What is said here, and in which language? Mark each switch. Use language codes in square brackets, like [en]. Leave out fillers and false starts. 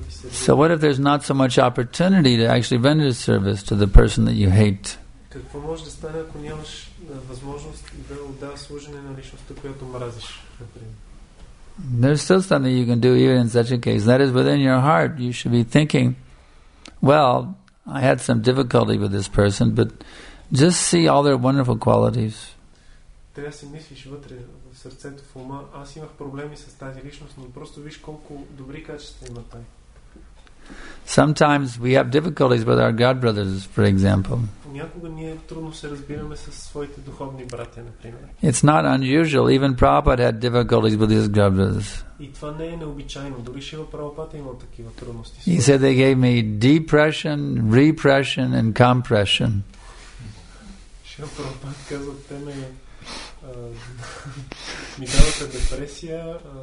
[en] So what if there's not so much opportunity to actually render service to the person that you hate? [bg] Какво може да стане, ако нямаш възможност да отдаваш служене на личността, която мразиш, например? [en] There's still something you can do even in such a case. That is within your heart. You should be thinking, well, I had some difficulty with this person, but just see all their wonderful qualities. [bg] Трябва да си мислиш вътре, в сърцето, в ума. Аз имах проблеми с тази личност, но просто виж колко добри качества има тази. [en] Sometimes we have difficulties with our god brothers, for example. [bg] Някога ние трудно се разбираме с своите духовни братя, например. [en] It's not unusual. Even Prabhupada had difficulties with his god brothers. [bg] И това не е необичайно. Дори Шива Прабхупада имал такива трудности. He said they gave me depression, repression, and compression. Шива Прабхупада казва, те ме ми даваха депресия.